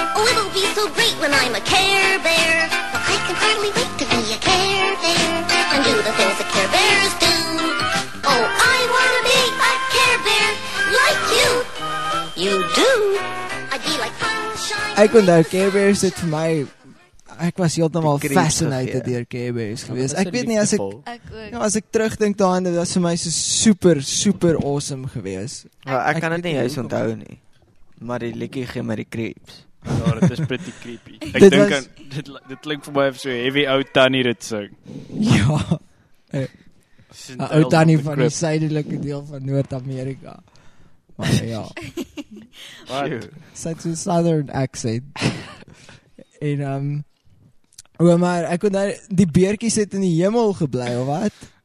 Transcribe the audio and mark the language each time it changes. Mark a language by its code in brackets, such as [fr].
[en] Oh, it'll be so great when I'm a Care Bear. I can hardly wait to be a Care Bear and do the things that Care Bears do. Oh, I wanna be a Care Bear like you. You do. I'd be like sunshine. [af] Ek onthou Care Bears het vir my, ek was heeltemal fascinated deur Care Bears gewees. Ek weet nie, as ek terugdink daarin, dit was vir my so super, super awesome gewees. Well, ek kan dit nie juist onthou nie. Maar die liekie gee my die creeps. Ja, dit is pretty creepy. Ek dink, dit klink vir my so heavy oud Tannie dit sing. Ja. Een oud Tannie van die suidelike deel van Noord-Amerika. Maar ja. Sy het so'n southern accent. En, maar ek kon daar, die beertjies het in die hemel geblei, of wat?